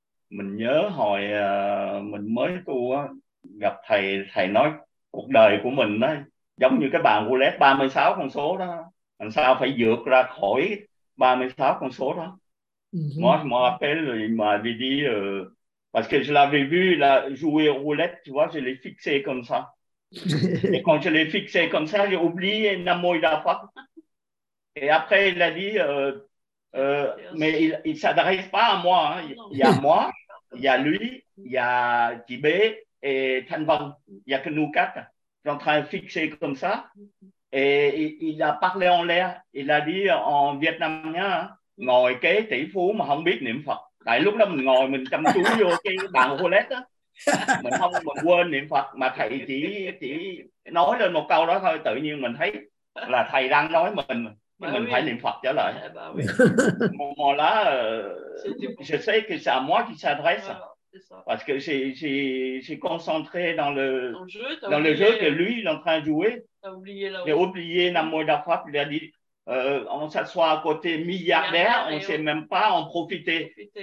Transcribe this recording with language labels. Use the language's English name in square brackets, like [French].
[Vietnamese] Mình nhớ hồi mình mới tu gặp thầy, thầy nói cuộc đời của mình đó, giống như cái bàn roulette 36 con số đó, làm sao phải vượt ra khỏi 36 con số đó. [French] Moi, je me rappelle, il m'avait dit, parce que je l'avais vu là, jouer aux roulettes, tu vois, je l'ai fixé comme ça. Et quand je l'ai fixé comme ça, j'ai oublié Namoïdafa. Et après, il a dit, mais il ne s'adresse pas à moi. Hein. Il y a moi, il y a lui, il y a Tibé et Thanh Vân. Il n'y a que nous quatre. J'étais en train de fixer comme ça. Et il a parlé en l'air. Il a dit en vietnamien, hein, [Vietnamese] ngồi kế tỷ phú mà không biết niệm Phật. Tại lúc đó mình ngồi mình chăm chú vô cái bàn roulette á. Mình không mình quên niệm Phật mà thầy chỉ nói lên một câu đó thôi, tự nhiên mình thấy là thầy đang nói mình mà mình phải niệm Phật trở lại. [French] Moi là je sais que c'est à moi qui s'adresse. Parce que j'ai concentré dans le jeu que lui il est en train de jouer. J'ai oublié Namoïdafa, il a dit on s'assoit à côté milliardaire, on ne sait même pas en profiter.